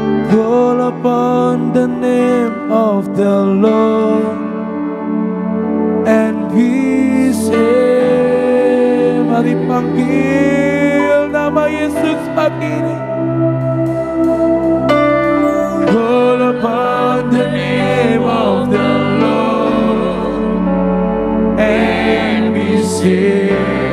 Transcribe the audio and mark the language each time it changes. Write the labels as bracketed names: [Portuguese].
[English] Call upon the name of the Lord and be saved. [Indonesian] Mari panggil nama Yesus pagi ini. [English] Call upon the name of the Lord and be saved.